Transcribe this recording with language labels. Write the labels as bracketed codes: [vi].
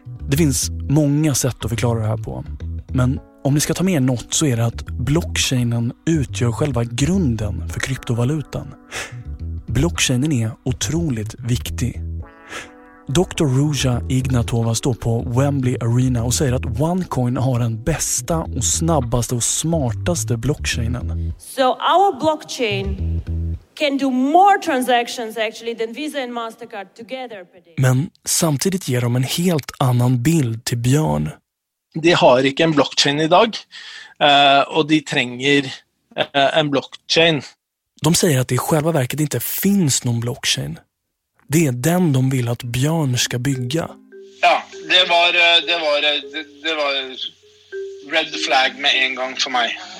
[sv] Det finns många sätt att förklara det här på. Men om ni ska ta med något så är det att blockchainen utgör själva grunden för kryptovalutan. Blockchainen är otroligt viktig. Dr. Ruja Ignatova står på Wembley Arena och säger att OneCoin har den bästa och snabbaste och smartaste blockchainen. [en] So our blockchain can do more transactions actually than Visa and Mastercard together per day. [sv] Men samtidigt ger de en helt annan bild till Björn. De har inte en blockchain idag och de tränger en blockchain. De säger att det i själva verket inte finns någon blockchain. Det är den de vill att Björn ska bygga. Ja, det var red flag med en gång för mig.